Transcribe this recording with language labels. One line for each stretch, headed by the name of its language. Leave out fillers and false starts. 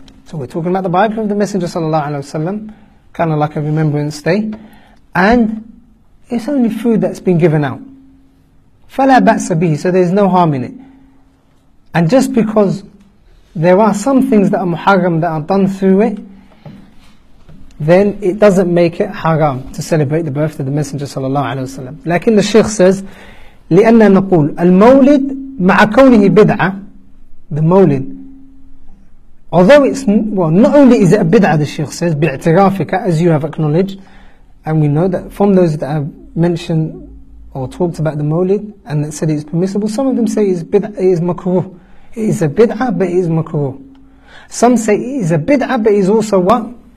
English: So we're talking about the biography of the Messenger sallallahu alaihi wasallam, kind of like a remembrance day, and it's only food that's been given out.
Arabic: فَلَا بَأْسَ بِهِ.
English: So there's no harm in it. And just because there are some things that are muharram that are done through it, then it doesn't make it haram to celebrate the birth of the Messenger sallallahu alaihi wasallam. Lakin the Shaykh says,
Arabic: لِأَنَّا نَقُولُ الْمَوْلِدْ مَعَ كَوْنِهِ بِدْعَةً.
English: The Mawlid, although it's, well, not only is it a bid'ah, the Shaykh says, bi'tirafika, as you have acknowledged, and we know that from those that have mentioned or talked about the mawlid and that said it's permissible, some of them say it's bid'ah, it is makruh. It is a bid'ah, but it is makruh. Some say it is a bid'ah, but it is also what?